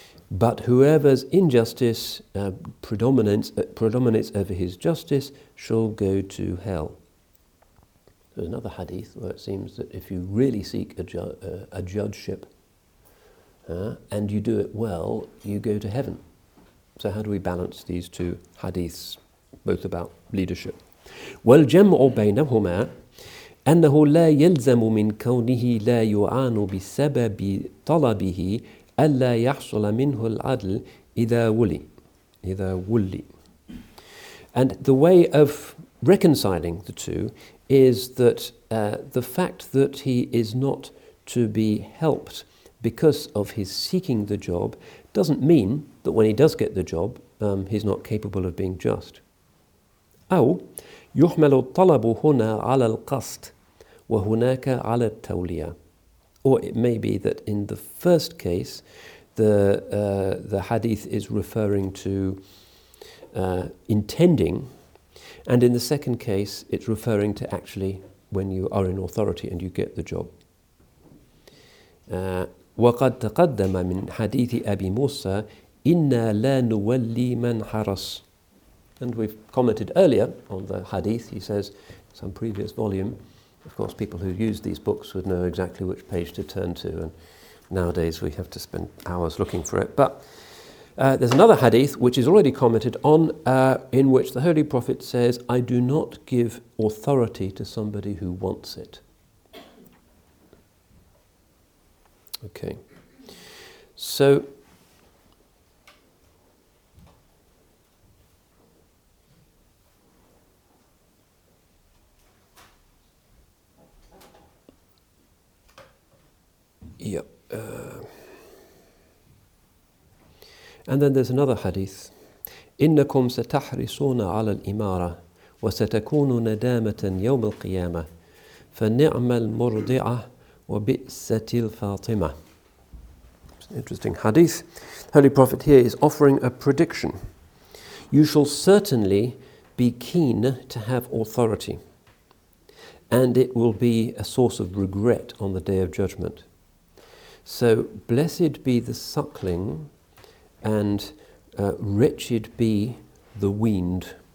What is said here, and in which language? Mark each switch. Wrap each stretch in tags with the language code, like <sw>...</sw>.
<en>But whoever's injustice predominates over his justice shall go to hell. There's another hadith where it seems that if you really seek a judgeship and you do it well, you go to heaven. So how do we balance these two hadiths, both about leadership?</en> <ar>Well, جَمْعُ بَيْنَهُمَا أنه لا يلزم من كونه لا يعان بسبب طلبه ألا يحصل منه العدل إذا ولي.</ar> <en>And the way of reconciling the two is that the fact that he is not to be helped because of his seeking the job doesn't mean that when he does get the job, he's not capable of being just.</en> <ar>أو يحمل الطلب هنا على القصد وهناك على التولية.</ar> <en>Or it may be that in the first case, the hadith is referring to intending, and in the second case, it's referring to actually when you are in authority and you get the job.</en> <ar>وقد تقدم من حديث أبي موسى إنا لا نولي من حرس.</ar> <en>And we've commented earlier on the hadith. He says, some previous volume. Of course, people who use these books would know exactly which page to turn to, and nowadays we have to spend hours looking for it. But there's another hadith, which is already commented on, in which the Holy Prophet says, I do not give authority to somebody who wants it. Okay. So, and then there's another hadith.</en> <ar>إنكم ستحرصون على الإمارة وستكون ندامة يوم القيامة فنعم المرضعة وبئس الفاطمة.</ar> <en>It's an interesting hadith. The Holy Prophet here is offering a prediction. You shall certainly be keen to have authority, and it will be a source of regret on the Day of Judgment. So blessed be the suckling, and wretched be the weaned.</en>